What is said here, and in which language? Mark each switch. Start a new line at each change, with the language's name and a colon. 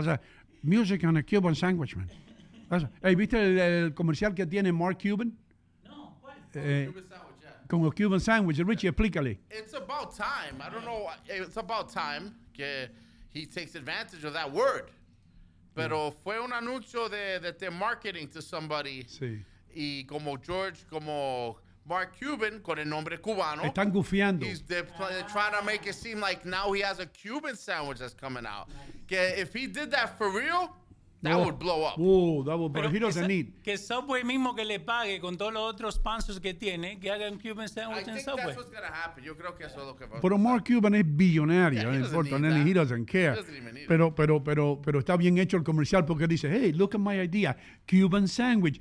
English: That's a music and a Cuban sandwich, man.
Spanish: Hey, ¿viste el comercial que tiene Mark Cuban? Con el Cuban sandwich. Richie, explícale.
English: It's about time. I don't know. It's about time
Spanish: que
English: he takes advantage of that word.
Spanish: Pero fue un anuncio de marketing
English: to somebody.
Spanish: Sí. Y como George, como Mark Cuban, con el nombre cubano. Están gufiando.
English: They're trying to make it seem like now he has a Cuban sandwich that's coming out. Que if he did that for real, that would blow up. Oh, that would blow up.
Spanish: Pero
English: he doesn't need.
Spanish: Que Subway mismo que le pague con todos los otros sponsors que tiene, que haga un Cuban sandwich en Subway.
English: I think that's what's going to happen.
Spanish: Yo creo que eso es lo que va a pasar. Pero Mark Cuban es billonario.
English: Yeah, he doesn't care. He doesn't even need
Spanish: pero está bien hecho el comercial porque dice,
English: hey, look at my idea. Cuban sandwich.